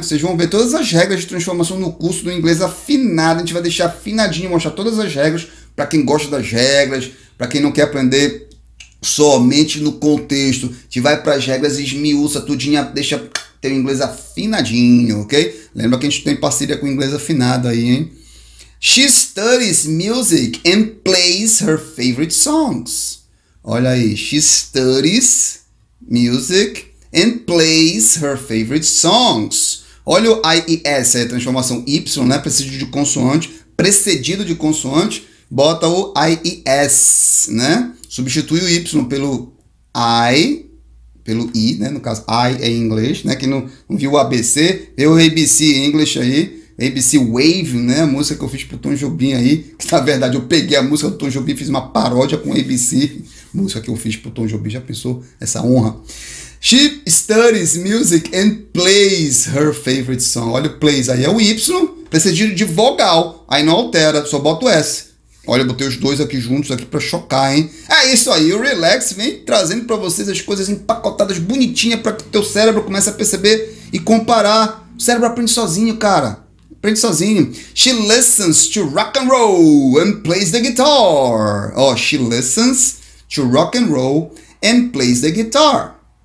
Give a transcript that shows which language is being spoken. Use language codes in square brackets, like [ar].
[pt] Vocês vão ver todas as regras de transformação no curso do inglês afinado. A gente vai deixar afinadinho, mostrar todas as regras para quem gosta das regras, para quem não quer aprender somente no contexto, te vai para as regras, esmiuça tudinho, deixa teu inglês afinadinho, ok? Lembra que a gente tem parceria com o inglês afinado aí, hein? [en] She studies music and plays her favorite songs. [pt] Olha aí, [en] she studies music and plays her favorite songs. [pt] Olha o IES, é a transformação Y, né? Precedido de consoante, precedido de consoante, bota o IES, né? Substitui o Y pelo I, pelo I, né? No caso, I é inglês, né? Quem não viu o ABC, vê o ABC em inglês aí. ABC Wave, né? A música que eu fiz pro Tom Jobim aí. Que, na verdade, eu peguei a música do Tom Jobim e fiz uma paródia com o ABC. Música que eu fiz pro Tom Jobim, já pensou essa honra? [en] She studies music and plays her favorite song. [pt] Olha o plays aí, é o Y precedido de vogal. Aí não altera, só bota o S. Olha, eu botei os dois aqui juntos aqui pra chocar, hein? É isso aí, o Relax vem trazendo pra vocês as coisas empacotadas bonitinhas pra que teu cérebro comece a perceber e comparar. O cérebro aprende sozinho, cara. Aprende sozinho. [en] She listens to rock and roll and plays the guitar. Oh, she listens to rock and roll and plays the guitar.